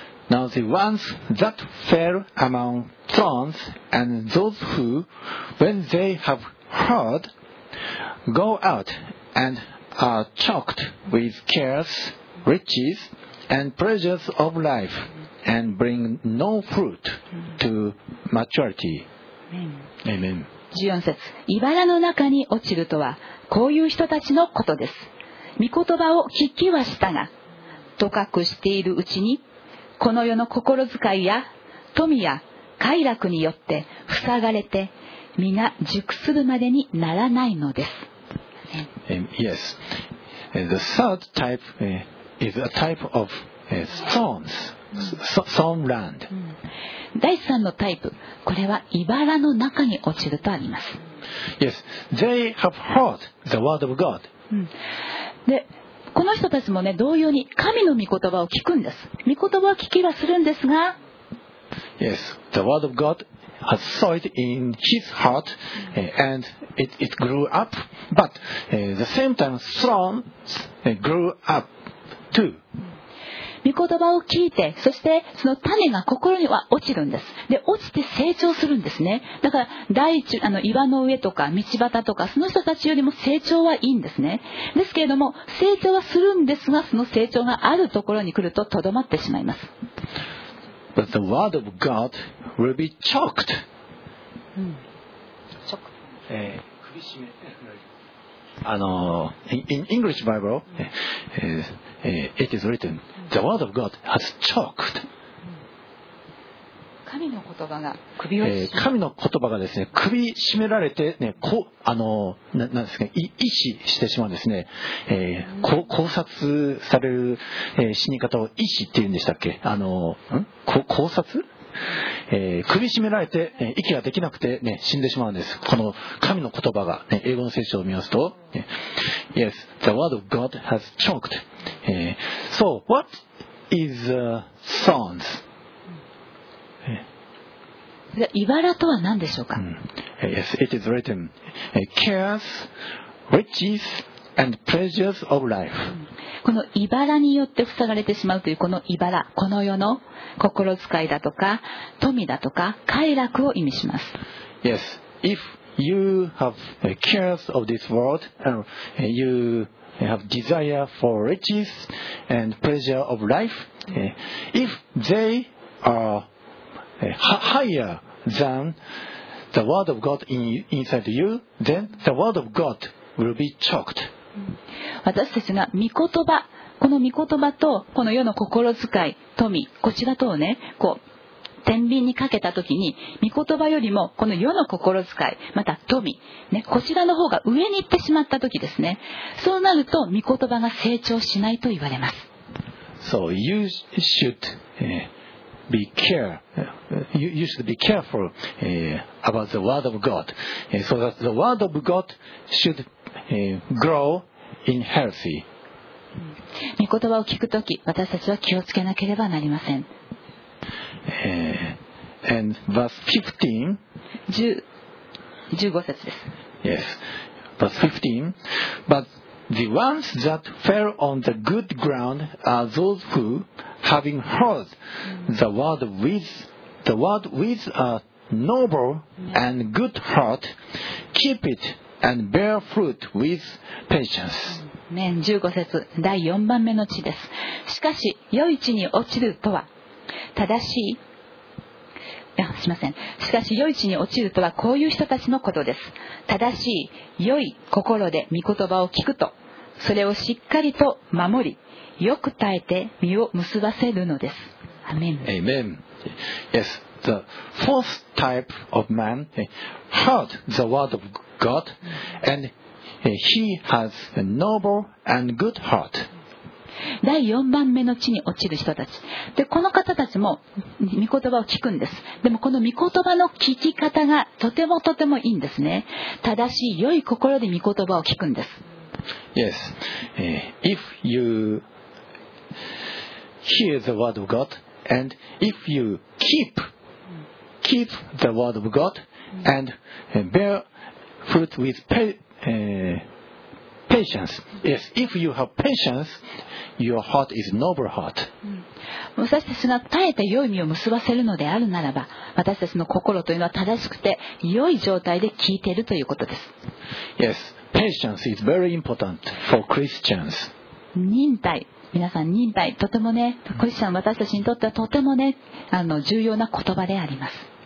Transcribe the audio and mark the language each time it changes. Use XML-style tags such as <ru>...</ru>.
<en>Now the ones that fell among thorns and those who, when they have heard, go out and are choked with cares, riches. And pleasures of life and bring no fruit to maturity. Amen.</en> <ja>14節、茨の中に落ちるとはこういう人たちのことです。御言葉を聞きはしたが、とかくしているうちにこの世の心遣いや富や快楽によって塞がれて、実が熟するまでにならないのです。</ja> <en>Yes. The third type is a type of thorns, thorn land.</en> <ja>第三のタイプ、これは茨の中に落ちるとあります。</ja> <en>Yes. They have heard the word of God.</en> <ja>で、この人たちもね、同様に神の御言葉を聞くんです。御言葉を聞きはするんですが、</ja> <en>Yes. The word of God has sowed in his heart, and it grew up. But the same time, thorns grew up too.</en> <ja>御言葉を聞いて、そしてその種が心には落ちるんです。で、落ちて成長するんですね。だから大地、あの岩の上とか道端とか、その人たちよりも成長はいいんですね。ですけれども、成長はするんですが、その成長があるところに来るととどまってしまいます。</ja> <en>But the word of God will be choked. In English Bible, it is written, the word of God has choked.</en> <ja>神の言葉が首を、神の言葉がですね、首絞められてね、こ、あの、な、なんですか、意思してしまうんですね、考察される、死に方を意思って言うんでしたっけ、考察、首絞められて、息ができなくて、ね、死んでしまうんです。この神の言葉が、ね、英語の聖書を見ますと、</ja> <en>Yes, the word of God has choked. So, what is thorns?</en> <ja>茨とは何でしょうか。</ja> <en>Yes, it is written, cares, riches, and pleasures of life.</en> <ja>この茨によって塞がれてしまうというこの茨、この世の心遣いだとか富だとか快楽を意味します。</ja> <en>Yes, if you have cares of this world, you have desire for riches and pleasure of life, if they are higher than the word of God inside you, then the word of God will be choked.</en> <ja>私たちが御言葉、この御言葉とこの世の心遣い、富、こちらとをね、こう天秤にかけたときに、御言葉よりもこの世の心遣い、また富、ね、こちらの方が上に行ってしまったときですね。そうなると御言葉が成長しないと言われます。</ja> <en>So you should. Be care. You should be careful about the word of God, so that the word of God should grow in healthy.</en> <ja>御言葉を聞くとき、私たちは気をつけなければなりません。</ja> <en>And verse 15.</en> <ja>15節です。</ja> <en>Yes, verse 15. But the ones that fell on the good ground are those who. Having heard the word with a noble and good heart, keep it and bear fruit with patience.</en> <ja>15節、第4番目の地です。しかし、良い地に落ちるとは、正しい、いや、すみません。しかし、良い地に落ちるとは、こういう人たちのことです。正しい、良い心で御言葉を聞くと、それをしっかりと守り、よく耐えて実を結ばせるのです。アメン。</ja> <en>Amen. Yes, the fourth type of man heard the word of God, and he has a noble and good heart.</en> <ja>第4番目の地に落ちる人たち。で、この方たちも御言葉を聞くんです。でも、この御言葉の聞き方がとてもとてもいいんですね。正しい良い心で御言葉を聞くんです。</ja> <en>Yes, if youHear the word of God, and if you keep the word of God, and bear fruit with patience. Yes, if you have patience, your heart is noble heart.</en> <ja>私たちが耐えて良い実を結ばせるのであるならば、私たちの心というのは正しくて良い状態で聞いているということです。</ja> <en>Yes, patience is very important for Christians.</en> <ja>忍耐。皆さん、忍耐、とてもね、クリスチャン、私たちにとってはとてもね、重要な言葉であります。</ja>